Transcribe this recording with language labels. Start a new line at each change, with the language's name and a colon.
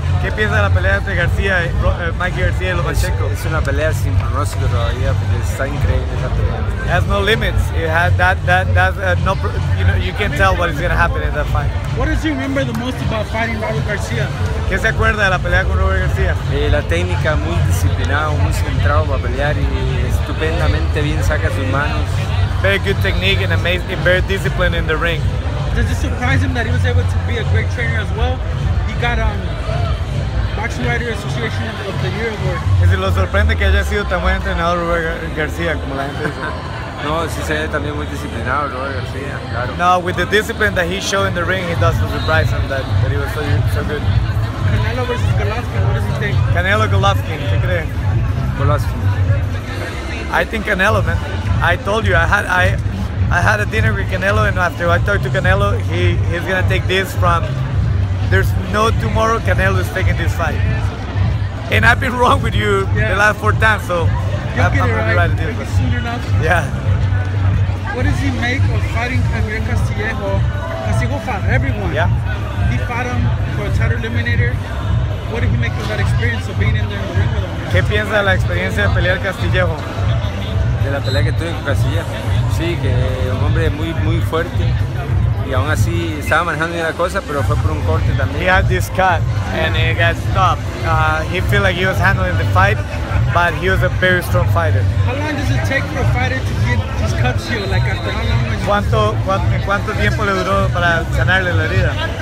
Spanish: ¿Qué piensa la pelea entre García, Mikey García y Lomachenko? Es una pelea sin pronóstico todavía, pero está increíble esa pelea.
English: It has no limits. It has that's no, you know, you can't tell what is going to happen in that fight. What does he remember the most about fighting Robert García?
Spanish: ¿Qué se acuerda de la pelea con Robert García? La técnica, muy disciplinado, muy centrado para pelear y estupendamente bien saca sus manos.
English: Very good technique and amazing, very disciplined in the ring. Does it surprise him that he was able to be a great trainer as well? He got Boxing Writer Association of the Year award.
Spanish: Es decir, lo sorprende que haya sido tan buen entrenador Robert García, como la gente dice. No, sí se ve también muy disciplinado Robert García, claro.
English: No, with the discipline that he showed in the ring, it doesn't surprise him that he was so good. Canelo versus Golovkin, what does he think?
Spanish: Canelo Golovkin, ¿qué cree? Golovkin.
English: I think Canelo, man. I told you, I had a dinner with Canelo, and after I talked to Canelo, he's gonna take this from. There's no tomorrow. Canelo is taking this fight, and I've been wrong with you the last four times, so I'm gonna write a deal. Maybe soon enough. Yeah. What does he make of fighting Javier Castillejo? Castillejo fought everyone. Yeah. He fought him for a title eliminator. What did he make of that experience of being in there in the ring with him?
Spanish: ¿Qué piensa de la experiencia de pelear Castillejo? De la pelea que tuve con Casillas, sí, que un hombre muy muy fuerte y aún así estaba manejando bien la cosa, pero fue por un corte también.
English: He had this cut and it got stopped. He felt like he was handling the fight, but he was a very strong fighter. How long does it take for a fighter to get these cuts healed? Like after how long?
Spanish: ¿Cuánto tiempo le duró para sanarle la herida?